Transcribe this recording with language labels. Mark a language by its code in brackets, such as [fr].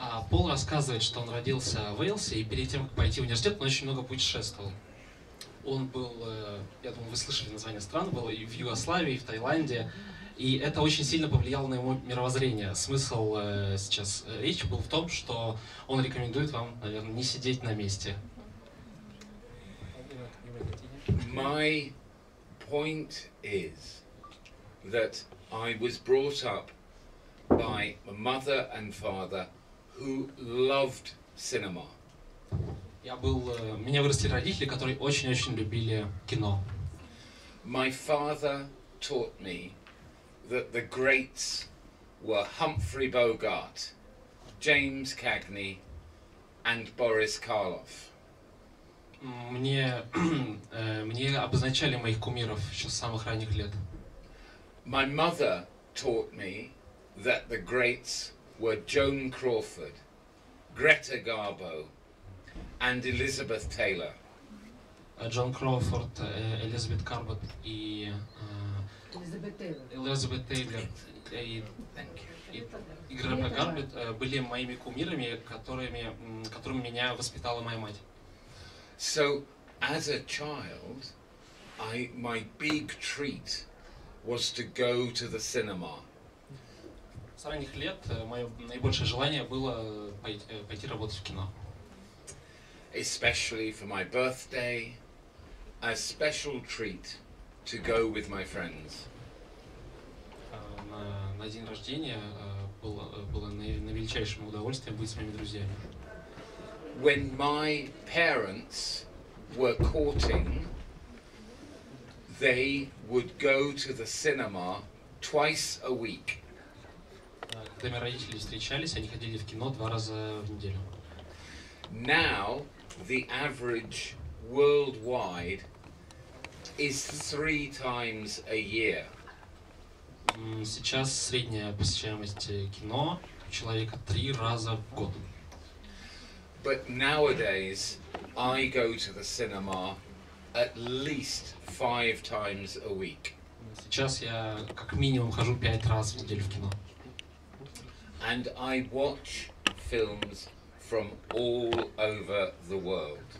[ru] Пол рассказывает, что он родился в Уэльсе, и перед тем, как пойти в университет, он очень много путешествовал. Он был, я думаю, вы слышали название стран, был и в Югославии, и в Таиланде, и это очень сильно повлияло на его мировоззрение. Смысл сейчас речи был в том, что он рекомендует вам, наверное, не сидеть на месте. [en] My point is that I was brought up by a mother and father who loved cinema. [ru] Меня вырастили родители, которые очень-очень любили кино. [en] My father taught me that the greats were Humphrey Bogart, James Cagney, and Boris Karloff. [ru] Мне обозначали моих кумиров еще с самых ранних лет. [en] My mother taught me that the greats were Joan Crawford, Greta Garbo, and Elizabeth Taylor. [ru] Джон Кроуфорд, Элизабет Карбот и Элизабет Тейлор. И Грета Гарбет были моими кумирами, которыми меня воспитала моя мать. [en] So, as a child, my big treat was to go to the cinema. [ru] С ранних лет мое наибольшее желание было пойти работать в кино. [en] Especially for my birthday, a special treat to go with my friends. [ru] На день рождения было на величайшим удовольствием быть с моими друзьями. [en] When my parents were courting, they would go to the cinema twice a week. [ru] Когда мои родители встречались, они ходили в кино два раза в неделю. [en] Now the average worldwide is 3 times a year. [ru] Сейчас средняя посещаемость кино у человека 3 раза в год. [en] But nowadays I go to the cinema at least 5 times a week. [ru] Сейчас я как минимум хожу 5 раз в неделю в кино. [en] And I watch films from all over the world.